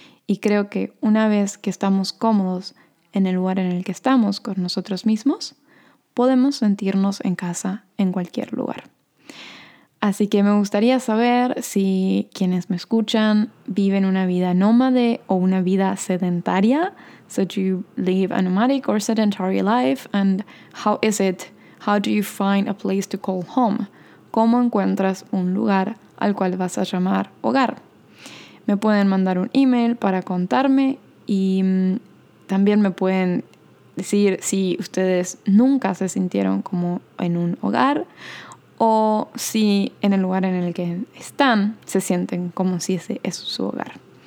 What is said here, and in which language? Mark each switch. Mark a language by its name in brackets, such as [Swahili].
[Spanish] Y creo que una vez que estamos cómodos en el lugar en el que estamos con nosotros mismos, podemos sentirnos en casa en cualquier lugar. Así que me gustaría saber si quienes me escuchan viven una vida nómade o una vida sedentaria. [English] So do you live a nomadic or sedentary life? And how is it? How do you find a place to call home? [Spanish] ¿Cómo encuentras un lugar al cual vas a llamar hogar? Me pueden mandar un email para contarme y también me pueden decir si ustedes nunca se sintieron como en un hogar o si en el lugar en el que están se sienten como si ese es su hogar.